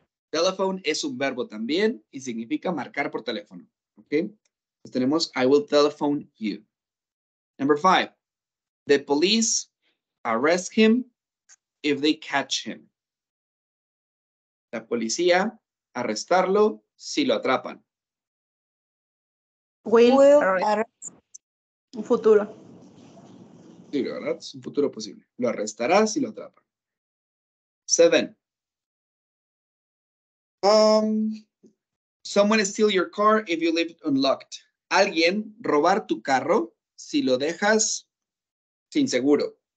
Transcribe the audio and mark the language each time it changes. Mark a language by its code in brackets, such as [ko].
[es] Telephone es un verbo también y significa marcar por teléfono. [en] ¿Ok? [es] Entonces tenemos, [en] I will telephone you. Number five, the police arrest him if they catch him. [es] La policía arrestarlo si lo atrapan. [en] Will arrest. [es] Un futuro. Sí, ¿verdad? Es un futuro posible. Lo arrestará si lo atrapan. Seven. [en] Someone steal your car if you leave it unlocked. [es] Alguien robar tu carro si lo dejas sin seguro.